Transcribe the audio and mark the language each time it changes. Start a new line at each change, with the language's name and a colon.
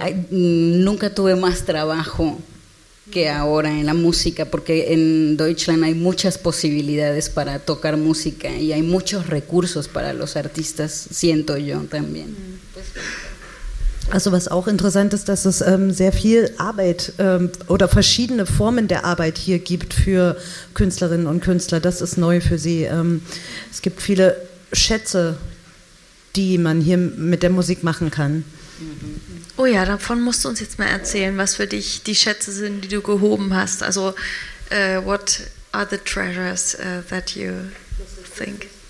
Spanish: Nunca tuve más trabajo que ahora en la música, porque en Deutschland hay muchas posibilidades para tocar música y hay muchos recursos para los artistas, siento yo también.
German: Also was auch interessant ist, dass es sehr viel Arbeit oder verschiedene Formen der Arbeit hier gibt für Künstlerinnen und Künstler. Das ist neu für sie. Es gibt viele Schätze, die man hier mit der Musik machen kann. Oh ja, davon musst du uns jetzt mal erzählen, was für dich die Schätze sind, die du gehoben hast.
English: Also, what are the treasures that you think?